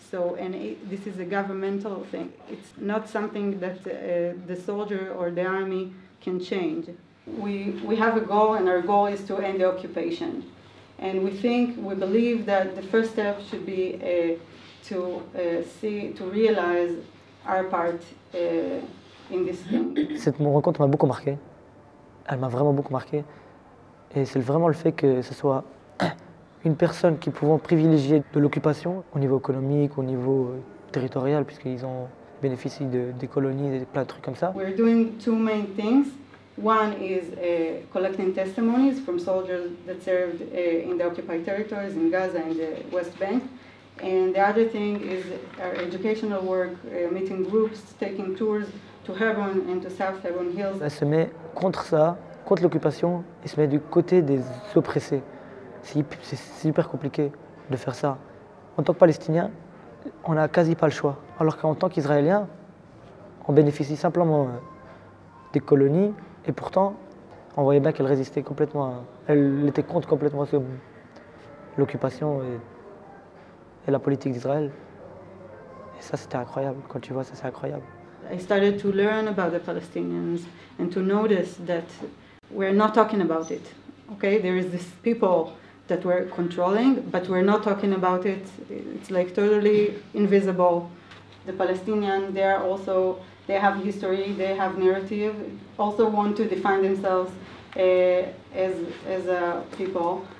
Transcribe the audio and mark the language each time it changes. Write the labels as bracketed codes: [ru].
[en] So, and it, this is a governmental thing. It's not something that the soldier or the army can change. We have a goal, and our goal is to end the occupation. And we think, we believe that the first step should be to realize our part in this thing. [fr] Cette rencontre m'a beaucoup marqué. Elle m'a vraiment beaucoup marqué. Et c'est vraiment le fait que ce soit une personne qui pouvant privilégier de l'occupation au niveau économique, au niveau territorial, puisqu'ils ont bénéficié de des colonies, des plein de trucs comme ça. [en] We're doing two main things. One is collecting testimonies from soldiers that served in the occupied territories in Gaza and the West Bank. And the other thing is our educational work, meeting groups, taking tours to Hebron and to South Hebron Hills. [fr] Elle se met contre ça, contre l'occupation, et se met du côté des oppressés. C'est super compliqué de faire ça. En tant que Palestinien, on n'a quasi pas le choix. Alors qu'en tant qu'Israélien, on bénéficie simplement des colonies, et pourtant, on voyait bien qu'elle résistait complètement. Elle était contre complètement sur l'occupation et la politique d'Israël. Et ça, c'était incroyable. Quand tu vois ça, c'est incroyable. [en] I started to learn about the Palestinians and to notice that we're not talking about it. Okay, there is this people that we're controlling, but we're not talking about it. It's like totally invisible. The Palestinians, they are also, they have history, they have narrative, also want to define themselves as a people.